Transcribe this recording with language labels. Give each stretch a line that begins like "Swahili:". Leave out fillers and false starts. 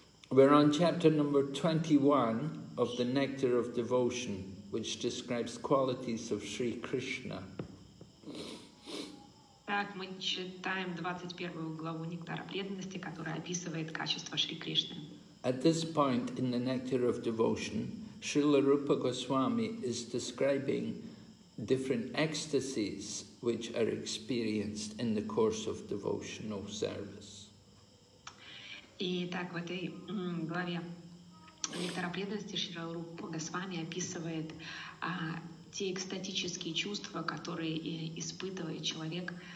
English: We're on chapter number 21 of the Nectar of Devotion, which describes qualities of Sri Krishna.
Russian: Так, мы читаем 21 главу «Нектара преданности», которая описывает качество Шри Кришны.
English: At this point in the Nectar of Devotion, Srila Rupa Goswami is describing different ecstasies which are experienced in the course of devotional service.
Russian: И так, в этой главе «Нектара преданности» Шрила Рупа Госвами описывает те экстатические чувства, которые испытывает человек